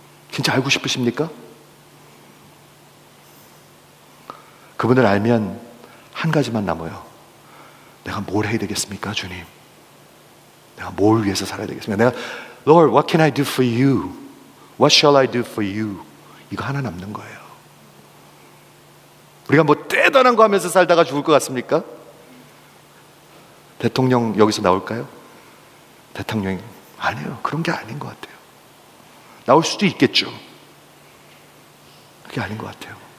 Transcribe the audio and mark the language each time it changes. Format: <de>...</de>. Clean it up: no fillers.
<ko>진짜 알고 싶으십니까? 그분을 알면 한 가지만 남아요. 내가 뭘 해야 되겠습니까, 주님? 내가 뭘 위해서 살아야 되겠습니까? 내가,</ko> <en>Lord, what can I do for you? What shall I do for you?</en> <ko>이거 하나 남는 거예요. 우리가 뭐 대단한 거 하면서 살다가 죽을 것 같습니까? 대통령 여기서 나올까요? 대통령이, 아니에요. 그런 게 아닌 것 같아요. 나올 수도 있겠죠. 그게 아닌 것 같아요.</ko>